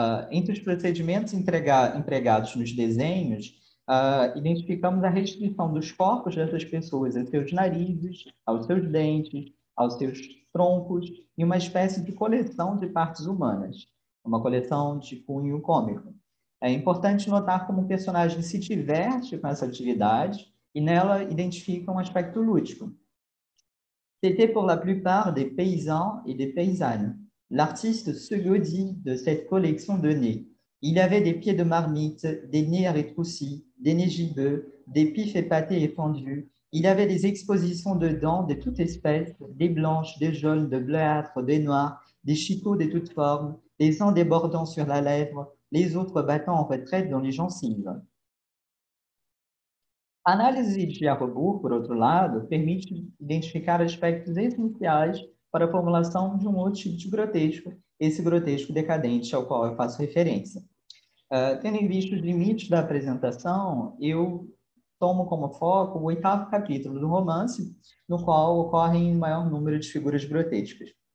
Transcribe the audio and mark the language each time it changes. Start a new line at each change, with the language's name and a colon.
Portuguese: Entre os procedimentos empregados nos desenhos, identificamos a restrição dos corpos dessas pessoas aos seus narizes, aos seus dentes, aos seus troncos e uma espécie de coleção de partes humanas, uma coleção de cunho cômico. É importante notar como o personagem se diverte com essa atividade e nela identifica um aspecto lúdico.
French: C'était pour la plupart des paysans et des paysannes. L'artiste se godit de cette collection de nez. Il avait des pieds de marmite, des nez rétroussis, des nez gibbeux, des pifs épatés et fendus. Il avait des expositions de dents de toutes espèces, des blanches, des jaunes, de bleuâtres, des noirs, des chicots de toutes formes, les uns débordant sur la lèvre, les autres battant en retraite dans les gencives.
Portuguese: Análise de à rebours, por outro lado, permite identificar aspectos essenciais para a formulação de um outro tipo de grotesco, esse grotesco decadente ao qual eu faço referência. Tendo em vista os limites da apresentação, eu tomo como foco o oitavo capítulo do romance, no qual ocorrem o maior número de figuras grotescas.